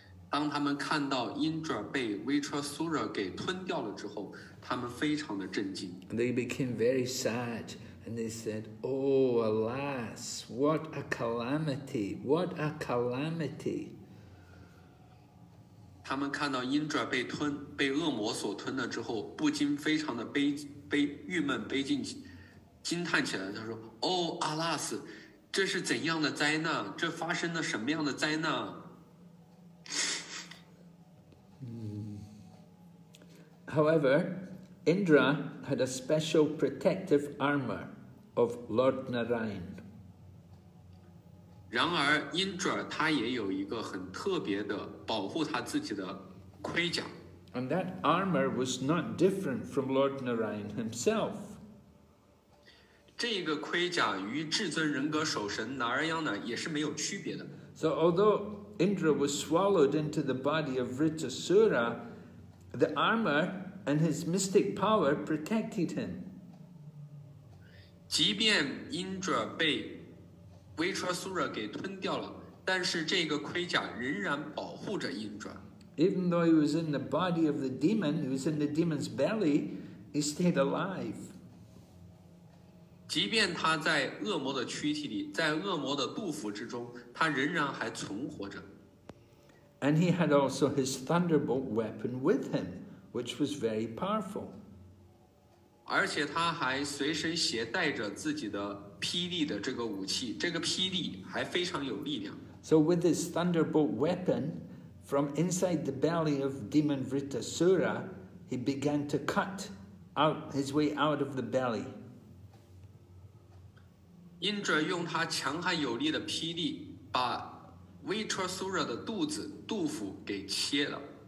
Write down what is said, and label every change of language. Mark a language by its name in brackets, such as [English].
[Chinese] 当他们看到Indra被Vritasura给吞掉了之后，他们非常的震惊。 [English] They became very sad, and they said, "Oh, alas, what a calamity, what a calamity!" [Chinese] 他们看到 Indra 被吞，被恶魔所吞了之后，不禁非常的郁闷悲尽，惊叹起来，他说，哦，阿拉斯，这是怎样的灾难？这发生了什么样的灾难？ [English] However, Indra had a special protective armor of Lord Narayan. [Chinese] 然而 ，Indra 他也有一个很特别的保护他自己的盔甲。 [English] And that armor was not different from Lord Narayan himself. [Chinese] 这个盔甲与至尊人格守神拿尔央呢也是没有区别的。 [English] So although Indra was swallowed into the body of Vritasura, the armor and his mystic power protected him. [Chinese] 即便 Indra 被 Vritasura 给吞掉了，但是这个盔甲仍然保护着 Indra。 [English] Even though he was in the body of the demon, he was in the demon's belly, he stayed alive. [Chinese] 即便他在恶魔的躯体里，在恶魔的肚腹之中，他仍然还存活着。 [English] And he had also his thunderbolt weapon with him, which was very powerful. [Chinese] 而且他还随身携带着自己的霹雳的这个武器，这个霹雳还非常有力量。 [English] So with his thunderbolt weapon, from inside the belly of demon Vritasura, he began to cut out his way out of the belly. [Chinese] 因着用他强悍有力的霹雳把Vritasura 的肚子肚腹给切了。